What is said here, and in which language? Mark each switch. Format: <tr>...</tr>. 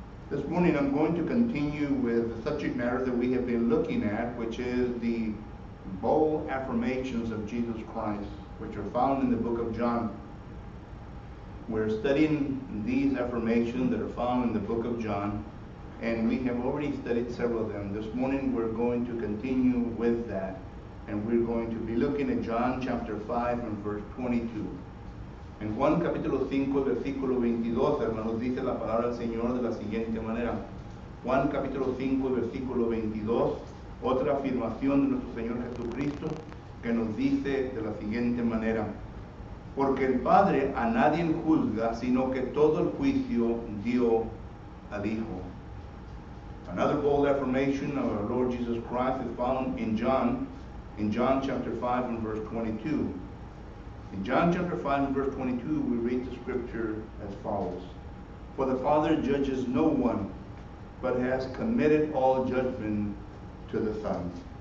<en>This morning I'm going to continue with the subject matter that we have been looking at, which is the bold affirmations of Jesus Christ, which are found in the book of John. We're studying these affirmations that are found in the book of John, and we have already studied several of them. This morning we're going to continue with that, and we're going to be looking at John chapter 5 and verse 22.</en> <es>En Juan capítulo 5, versículo 22, hermanos, dice la palabra del Señor de la siguiente manera. Juan capítulo 5, versículo 22, otra afirmación de nuestro Señor Jesucristo que nos dice de la siguiente manera. Porque el Padre a nadie juzga, sino que todo el juicio dio al Hijo.</es> <en>Another bold affirmation of our Lord Jesus Christ is found in John chapter 5 and verse 22. In John chapter 5 and verse 22, we read the scripture as follows. For the Father judges no one, but has committed all judgment to the Son.</en>